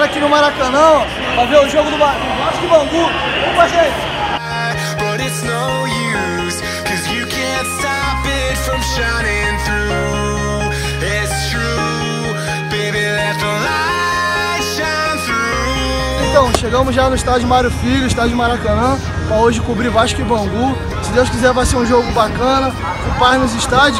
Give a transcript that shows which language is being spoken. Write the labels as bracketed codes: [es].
[pt] Maracanã, pra ver o jogo do Vasco e Bangu. Vamos pra gente! [en] But it's no use, cause you can't stop it from shining through. It's true, baby, let the light shine through. [pt] Então, chegamos já no estádio Mário Filho, estádio Maracanã, pra hoje cobrir Vasco e Bangu. Se Deus quiser, vai ser um jogo bacana, com paz nos estádios.